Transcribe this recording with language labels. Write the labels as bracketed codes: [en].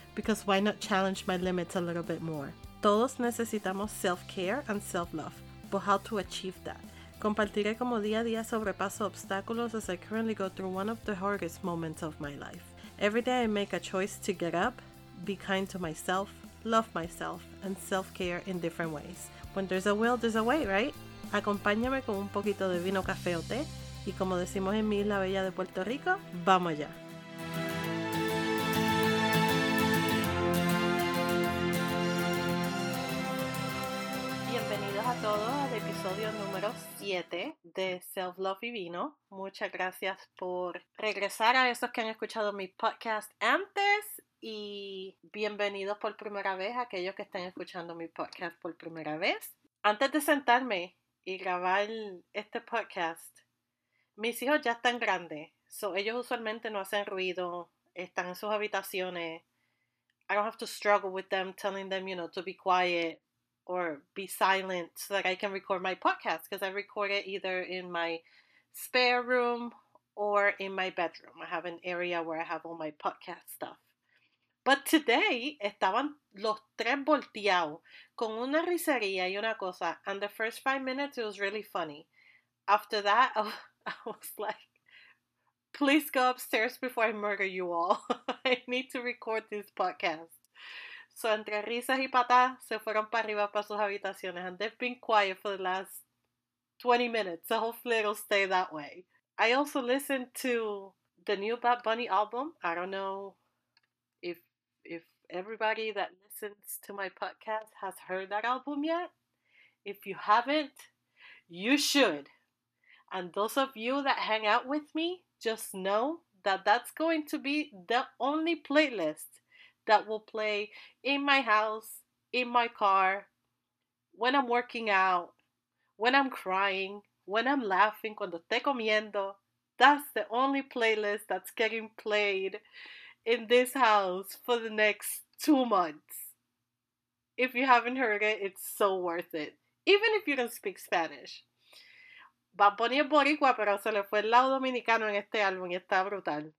[en] Because why not challenge my limits a little bit more? [es] Todos necesitamos [en] self-care and self-love, but how to achieve that? [es] Compartiré como día a día sobrepaso obstáculos [en] as I currently go through one of the hardest moments of my life. Every day I make a choice to get up, be kind to myself, love myself, and self-care in different ways. When there's a will, there's a way, right? [es] Acompáñame con un poquito de vino, café o té. Y como decimos en mi isla bella de Puerto Rico, ¡vamos allá! Bienvenidos a todos al episodio número 7 de Self Love y Vino. Muchas gracias por regresar a esos que han escuchado mi podcast antes. Y bienvenidos por primera vez a aquellos que estén escuchando mi podcast por primera vez. Antes de sentarme y grabar este podcast, mis hijos ya están grandes. [en] So [es] ellos usualmente no hacen ruido, están en sus habitaciones. [en] I don't have to struggle with them telling them, you know, to be quiet or be silent so that I can record my podcast. Because I record it either in my spare room or in my bedroom. I have an area where I have all my podcast stuff. But today, [es] estaban los tres volteados con una risería y una cosa. [en] And the first 5 minutes, it was really funny. After that, I was like, please go upstairs before I murder you all. I need to record this podcast. [es] So, entre risas y patas, se fueron para arriba para sus habitaciones. [en] And they've been quiet for the last 20 minutes. So, hopefully, it'll stay that way. I also listened to the new Bad Bunny album. I don't know. Everybody that listens to my podcast has heard that album yet. If you haven't, you should. And those of you that hang out with me, just know that that's going to be the only playlist that will play in my house, in my car, when I'm working out, when I'm crying, when I'm laughing, [es] cuando esté comiendo. [en] That's the only playlist that's getting played in this house for the next 2 months. If you haven't heard it, it's so worth it. Even if you don't speak Spanish. [es] Bad Bunny es boricua, pero se le fue el lado dominicano en este álbum y está brutal.